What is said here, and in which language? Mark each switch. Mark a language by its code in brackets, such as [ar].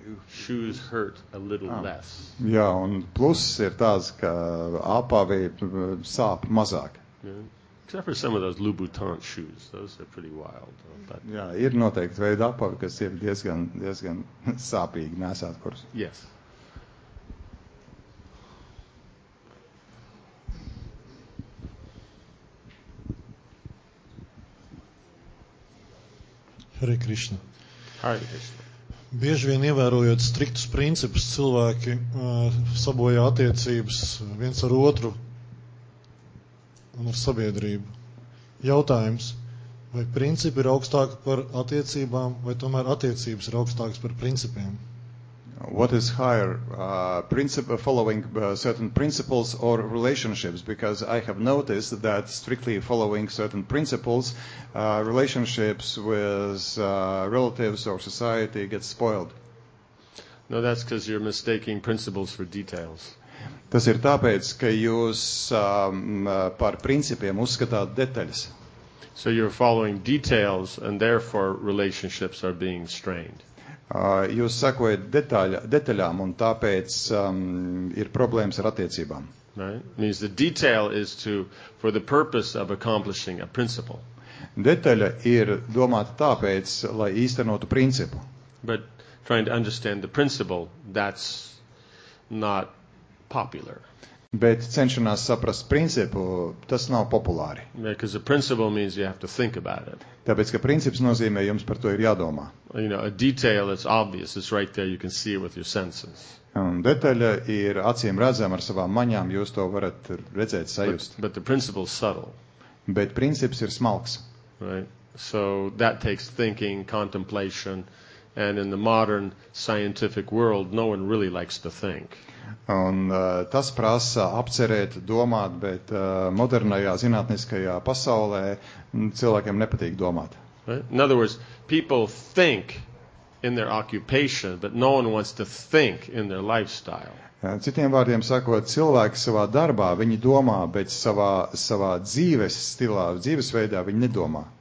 [en] Shoes hurt a little less. [lv] Jā, un pluss ir tāds, ka apavi sāp mazāk. [en] Yeah. Except for some of those Louboutin shoes. Those are pretty wild. But [lv] jā, ir noteikti veidi apavi, kas ir diezgan sāpīgi nesāt kurs. [en] Yes. [sa] Uh, Hare Krishna. Hare Krishna. [lv] Bieži vien ievērojot striktus principus, cilvēki sabojā attiecības viens ar otru un ar sabiedrību. Jautājums, vai principi ir augstāki par attiecībām, vai tomēr attiecības ir augstākas par principiem? [en] What is higher, principle following certain principles or relationships? Because I have noticed that strictly following certain principles, relationships with relatives or society get spoiled. No, that's because you're mistaking principles for details. [lv] Tas ir tāpēc, ka jūs par principiem uzskatāt detaļas. [en] So you're following details and therefore relationships are being strained. [lv] Jūs sakojat detaļām un tāpēc ir problēmas ar attiecībām. [en] Right? Means the detail is to for the purpose of accomplishing a principle. [lv] Detaļa ir domāta tāpēc, lai īstenotu principu. [en] But trying to understand the principle, that's not popular. [lv] Bet cenšanās saprast principu, tas nav populāri. [en] Because the principle means you have to think about it. [lv] Tāpēc, ka princips nozīmē, jums par to ir jādomā. [en] You know, a detail is obvious, it's right there, you can see it with your senses. [lv] Un detaļa ir acīm redzama ar savām maņām, jūs to varat redzēt, sajust. [en] But the principle is subtle. [lv] Bet princips ir smalks. [en] Right? So that takes thinking, contemplation, and in the modern scientific world, no one really likes to think. [lv] Un tas prasa apcerēt, domāt, bet modernajā zinātniskajā pasaulē cilvēkiem nepatīk domāt. [en] In other words, people think in their occupation, but no one wants to think in their lifestyle. [lv] Citiem vārdiem sakot, cilvēki savā darbā, viņi domā, bet savā dzīves stilā, dzīves veidā viņi nedomā.